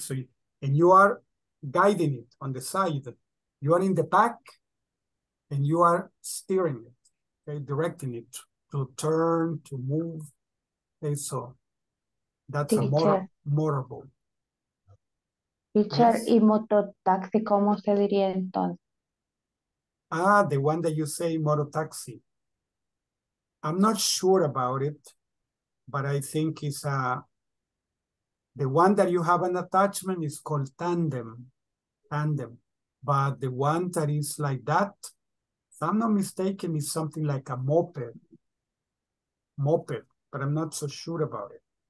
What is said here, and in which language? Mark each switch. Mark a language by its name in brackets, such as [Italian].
[English] So you are guiding it on the side. You are in the back and you are steering it, okay, directing it to turn, to move. Okay, so that's a motorboat. Teacher, yes. [Spanish] ¿Y mototaxi cómo se diría entonces? [English] Ah, the one that you say, mototaxi. I'm not sure about it, but I think it's the one that you have an attachment is called tandem. But the one that is like that, if I'm not mistaken, is something like a moped, but I'm not so sure about it.